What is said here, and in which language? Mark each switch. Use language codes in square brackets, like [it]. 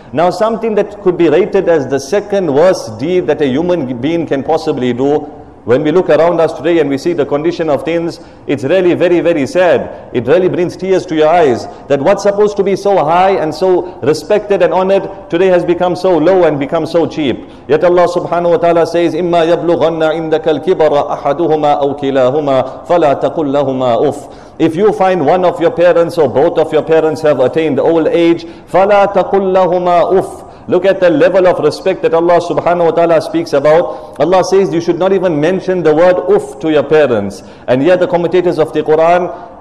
[en] Now something that could be rated as the second worst deed that a human being can possibly do, when we look around us today and we see the condition of things, it's really very, very sad. It really brings tears to your eyes that what's supposed to be so high and so respected and honored today has become so low and become so cheap. Yet Allah subhanahu wa ta'ala says, [ar] إِمَّا يَبْلُغَنَّ عِنْدَكَ الْكِبَرَ أَحَدُهُمَا أَوْ كِلَاهُمَا فَلَا تَقُلْ لَهُمَا أُفْ. [en] If you find one of your parents or both of your parents have attained old age, [ar] فَلَا تَقُلْ لَهُمَا أُفْ. [en] Look at the level of respect that Allah subhanahu wa ta'ala speaks about. Allah says you should not even mention the word uff to your parents. And yet the commentators of the Quran,